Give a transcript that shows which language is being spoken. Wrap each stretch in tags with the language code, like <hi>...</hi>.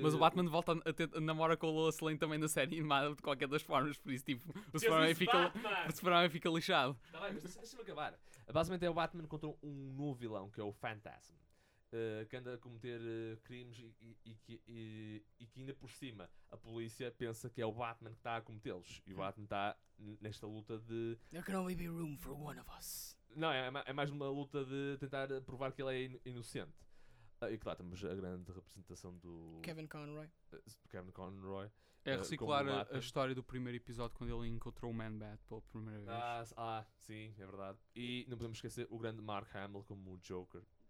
<pt>Mas o Batman volta a namora com o Lois Lane também na série animada, de qualquer das formas, por isso tipo, o Superman fica lixado. Tá bem, mas deixa-me acabar. Basicamente é o Batman contra um novo vilão, que é o Phantasm, que anda a cometer crimes e que ainda por cima a polícia pensa que é o Batman que está a cometê-los. E o Batman está nesta luta de...</pt> <en>There can only be room for one of us.</en> <pt>Não, é mais uma luta de tentar provar que ele é inocente. E claro, temos a grande representação do... Kevin Conroy. É reciclar a história do primeiro episódio, quando ele encontrou o Man-Bat pela primeira vez. Sim, é verdade. E não podemos esquecer o grande Mark Hamill como o Joker.</pt>